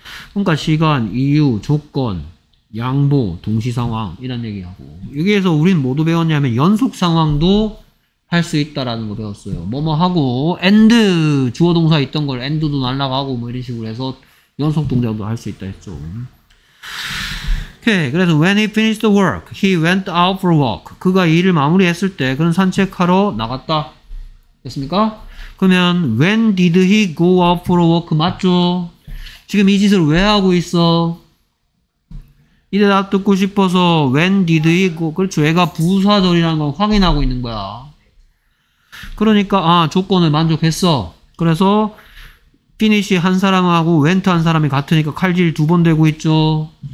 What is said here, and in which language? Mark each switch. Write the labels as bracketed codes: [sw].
[ko] 그러니까 시간, 이유, 조건, 양보, 동시상황 이런 얘기하고 여기에서 우린 뭐도 배웠냐면 연속상황도 할 수 있다라는 거 배웠어요. 뭐뭐 하고 and 주어동사 있던 걸 and도 날라가고 뭐 이런 식으로 해서 연속동작도 할 수 있다 했죠. 오케이. 그래서 [en] when he finished the work, he went out for a walk. [ko] 그가 일을 마무리했을 때 그는 산책하러 나갔다. 됐습니까? 그러면 [en] when did he go out for a walk [ko] 맞죠? 지금 이 짓을 왜 하고 있어? 이 대답 듣고 싶어서 [en] when did he go [ko] 그렇죠. 얘가 부사절이라는 걸 확인하고 있는 거야. 그러니까 아 조건을 만족했어. 그래서 finish 한 사람하고 went 한 사람이 같으니까 칼질 두 번 되고 있죠.